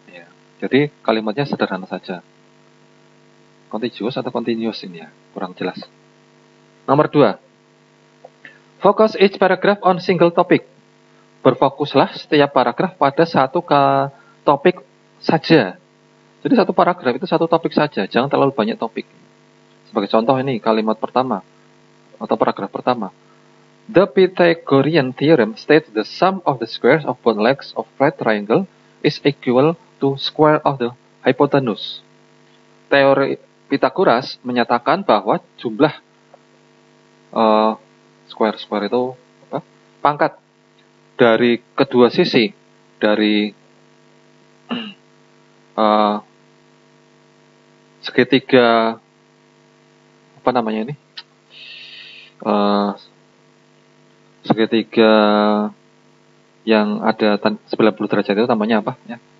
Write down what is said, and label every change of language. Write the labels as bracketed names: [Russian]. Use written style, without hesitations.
[Indonesian] Ya. Jadi kalimatnya sederhana saja. Contiguous atau continuous ini ya, kurang jelas. Nomor 2. [English] Focus each paragraph on single topic. [Indonesian] Berfokuslah setiap paragraf pada satu topik saja. Jadi satu paragraf itu satu topik saja, jangan terlalu banyak topik. Sebagai contoh ini, kalimat pertama, atau paragraf pertama. [English] The Pythagorean theorem states the sum of the squares of both legs of right triangle is equal to square of the hypotenuse. [Indonesian] Teori Pythagoras menyatakan bahwa jumlah square-square itu apa? Pangkat. Dari kedua sisi, dari segitiga, apa namanya ini, segitiga yang ada 90 derajat itu namanya apa? Ya.